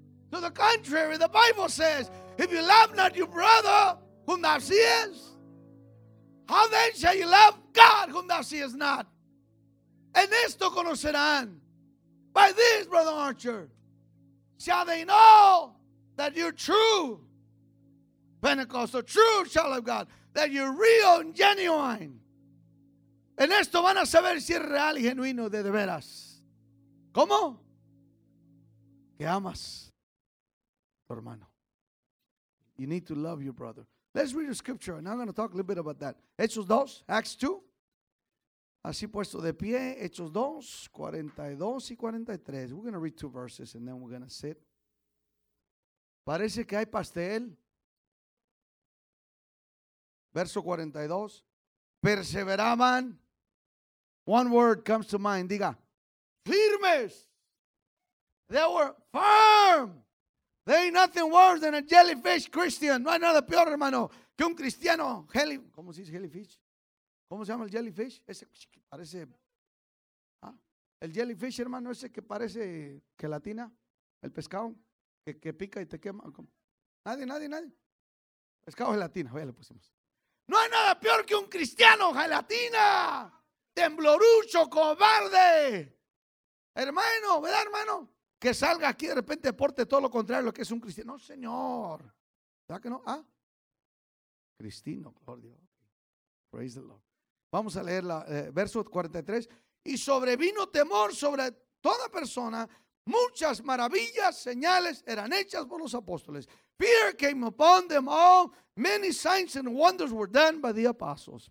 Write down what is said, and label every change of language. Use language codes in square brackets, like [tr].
[en] To the contrary, the Bible says, if you love not your brother, whom thou seest, how then shall you love God, whom thou seest not? [es] En esto conocerán. [en] By this, Brother Archer, shall they know that you're true Pentecostal, true child of God, that you're real and genuine. [es] En esto van a saber si es real y genuino de veras. ¿Cómo? Que amas tu hermano. [en] You need to love your brother. Let's read a scripture, and I'm going to talk a little bit about that. Hechos 2, Acts 2. [es] Así puesto de pie, Hechos 2, 42 y 43. [en] We're going to read two verses, and then we're going to sit. [es] Parece que hay pastel. Verso 42. Perseveraban. [en] One word comes to mind. [es] Diga, firmes. [en] They were firm. There ain't nothing worse than a jellyfish Christian. [es] No hay nada peor, hermano, que un cristiano. ¿Cómo se dice jellyfish? ¿Cómo se llama el jellyfish? Ese que parece. ¿Ah? El jellyfish, hermano, ese que parece gelatina. El pescado que pica y te quema. ¿Cómo? Nadie. Pescado gelatina. Ya le pusimos. No hay nada peor que un cristiano gelatina. Temblorucho, cobarde. Hermano, ¿verdad, hermano? Que salga aquí de repente porte todo lo contrario a lo que es un cristiano. No, señor. ¿Verdad que no? Ah. Cristino, por Dios. [en] Praise the Lord. [es] Vamos a leer verso 43. Y sobrevino temor sobre toda persona. Muchas maravillas, señales eran hechas por los apóstoles. [en] Fear came upon them all. Many signs and wonders were done by the apostles.